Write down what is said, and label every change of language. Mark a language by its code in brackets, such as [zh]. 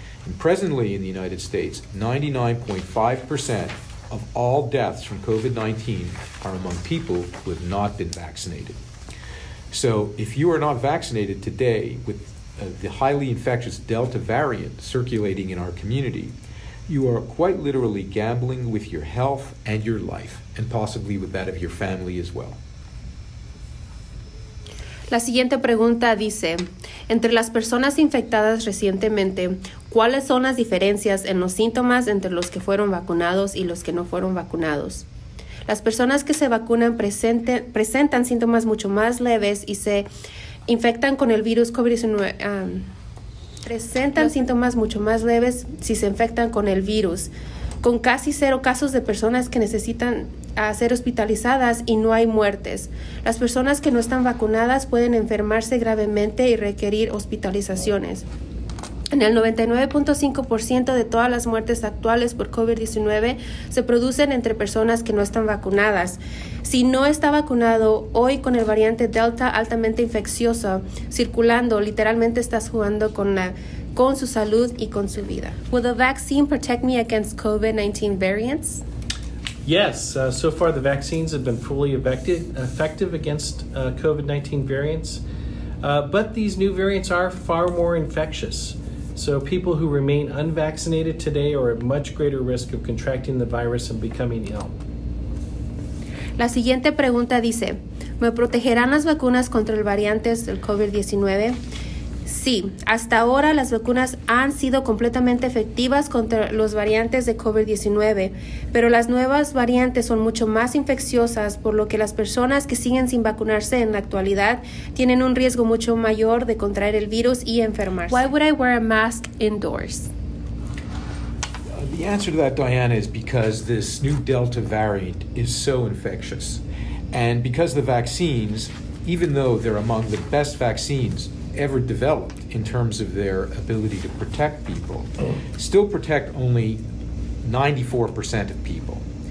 [en] And presently in the United States, 99.5% of all deaths from COVID-19 are among people who have not been vaccinated. So if you are not vaccinated today with the highly infectious Delta variant circulating in our community, you are quite literally gambling with your health and your life, and possibly with that of your family as well. [es] La siguiente pregunta dice, entre las personas infectadas recientemente, ¿cuáles son las diferencias en los síntomas entre los que fueron vacunados y los que no fueron vacunados? Las personas que se vacunan presentan síntomas mucho más leves y se infectan con el virus COVID-19. Presentan síntomas mucho más leves si se infectan con el virus, con casi cero casos de personas que necesitan ser hospitalizadas y no hay muertes. Las personas que no están vacunadas pueden enfermarse gravemente y requerir hospitalizaciones. En el 99.5% de todas las muertes actuales por COVID-19 se producen entre personas que no están vacunadas. Si no está vacunado hoy con el variante Delta altamente infeccioso circulando, literalmente estás jugando con su salud y con su vida. [en] Will the vaccine protect me against COVID-19 variants? Yes, so far the vaccines have been fully effective against COVID-19 variants, but these new variants are far more infectious. So people who remain unvaccinated today are at much greater risk of contracting the virus and becoming ill. [es] La siguiente pregunta dice, ¿me protegerán las vacunas contra el variante del COVID-19? Sí, hasta ahora las vacunas han sido completamente efectivas contra los variantes de COVID-19, pero las nuevas variantes son mucho más infecciosas, por lo que las personas que siguen sin vacunarse en la actualidad tienen un riesgo mucho mayor de contraer el virus y enfermarse. [en] Why would I wear a mask indoors? The answer to that, Diana, is because this new Delta variant is so infectious. And because the vaccines, even though they're among the best vaccines ever developed in terms of their ability to protect people, still protect only 94% of people.